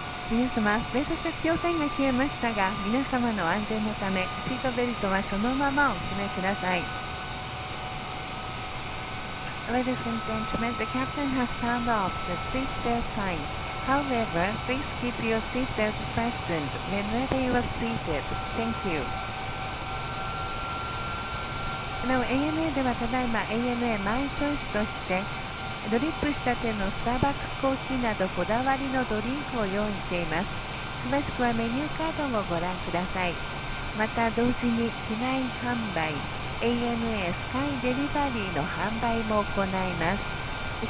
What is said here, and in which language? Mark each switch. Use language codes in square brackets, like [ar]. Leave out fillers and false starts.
[ja] 皆様、ベルト着用が消えましたが、皆様の安全のため、シートベルトはそのままお締めください。 [en] Ladies and gentlemen, the captain has turned off the seatbelt sign. However, please keep your seatbelt fastened whenever you are seated. Thank you. [ja] なお、ANA ではただいま ANA マイチョイスとして、ドリップしたてのスターバックスコーヒーなどこだわりのドリンクを用意しています。詳しくはメニューカードをご覧ください。また同時に機内販売、ANA スカイデリバリーの販売も行います。